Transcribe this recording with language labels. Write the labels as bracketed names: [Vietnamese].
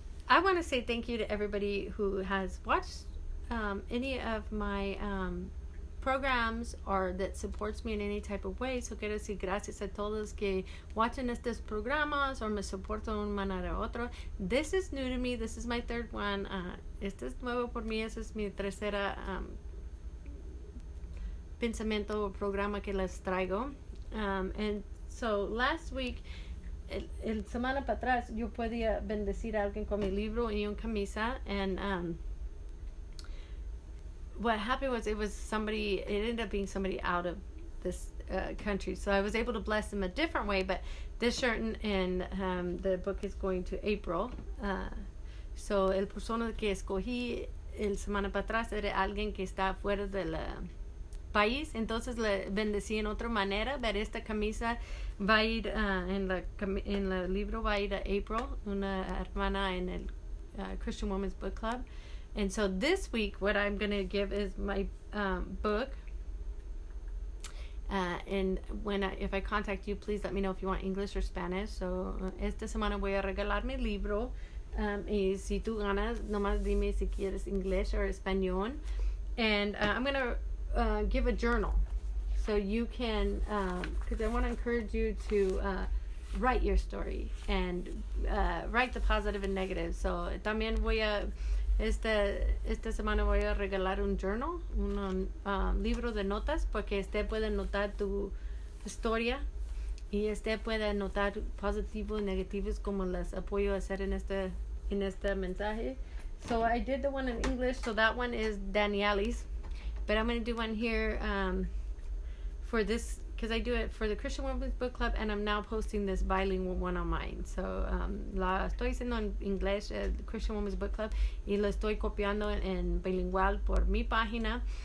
[English] I want to say thank you to everybody who has watched any of my programs or that supports me in any type of way. [Spanish] So quiero decir gracias a todos que watchan estos programas o me soportan de una manera u otra. [English] This is new to me. This is my third one. [Spanish] Este es nuevo por mí. Este es mi tercera pensamiento o programa que les traigo. [English] Last week, [Spanish] el semana para atrás, yo podía bendecir a alguien con mi libro y una camisa. [English] What happened was, it ended up being somebody out of this country. So I was able to bless them a different way, but this shirt and the book is going to April. [Spanish] So el persona que escogí el semana para atrás era alguien que está fuera del país, entonces le bendecí en otra manera, pero esta camisa va a ir en la libro va a ir a April, una hermana en el Christian Women's Book Club. [English] And so this week, what I'm going to give is my book. And when I, if I contact you, please let me know if you want English or Spanish. [Spanish] So esta semana voy a regalar mi libro. Y si tú ganas, nomás dime si quieres inglés o español. [English] And I'm going to give a journal. So you can, because I want to encourage you to write your story and write the positive and negative. [Spanish] So también voy a. Esta semana voy a regalar un journal, un libro de notas, porque este puede notar tu historia y este puede notar positivos y negativos como las apoyo a hacer en este mensaje. [English] So I did the one in English, so that one is Danielle's, but I'm going to do one here for this, because I do it for the Christian Women's Book Club, and I'm now posting this bilingual one on mine. [Spanish] So la estoy haciendo en inglés, the Christian Women's Book Club, y la estoy copiando en bilingual por mi página.